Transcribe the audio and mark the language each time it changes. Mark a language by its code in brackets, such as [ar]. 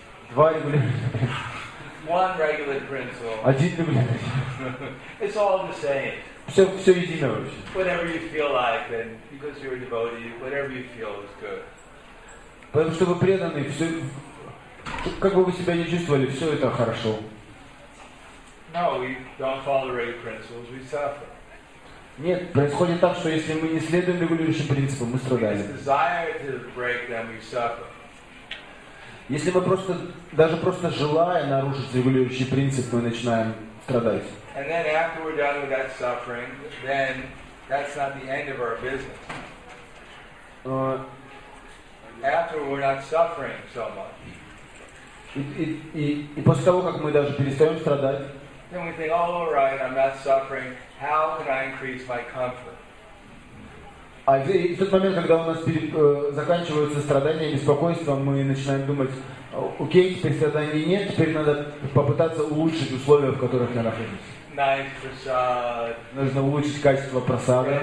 [ru] Два регулирующих принципа. Один регулирующий. Все едино вообще. Потому что вы преданы, все, как бы вы себя ни чувствовали, все это хорошо. [en] No, we don't follow regular principles, we suffer. [ru] Нет, происходит так, что если мы не следуем регулирующим принципам, мы страдаем. [en] We desire to break them, we suffer. [ru] Если мы просто, даже просто желая нарушить регулирующий принцип, мы начинаем страдать. [en] And then after we're done with that suffering, then that's not the end of our business. After we're not suffering so much. [ru] И после того, как мы даже перестаем страдать, [en] then we think, oh, all right, I'm not suffering. How can I increase my comfort? [ru] А в тот момент, когда у нас заканчиваются страдания и беспокойства, мы начинаем думать, окей, теперь страданий нет, теперь надо попытаться улучшить условия, в которых я нахожусь. [en] Nice prasad. [ru] Нужно улучшить качество просада.